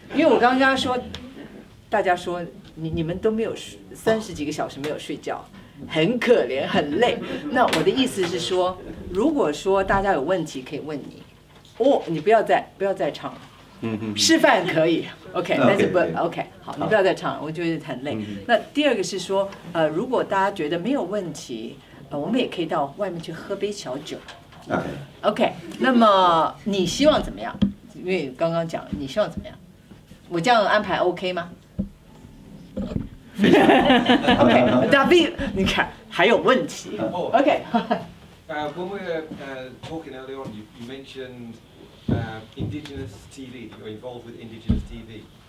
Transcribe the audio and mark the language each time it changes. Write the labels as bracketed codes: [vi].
[en] Because you just said, everyone said, you haven't slept for 30 hours. Very sad, very tired. My point is, if you have a question, you can ask me. Oh, you don't have to sing. [zh] 示范可以 OK，但是不OK，好，你不要再唱了，我觉得很累。那第二个是说，如果大家觉得没有问题，我们也可以到外面去喝杯小酒。OK，那么你希望怎么样？因为刚刚讲你希望怎么样，我这样安排OK吗？OK，David，你看还有问题。OK， [en] when we were talking earlier on, you mentioned indigenous TV, you're involved with indigenous TV.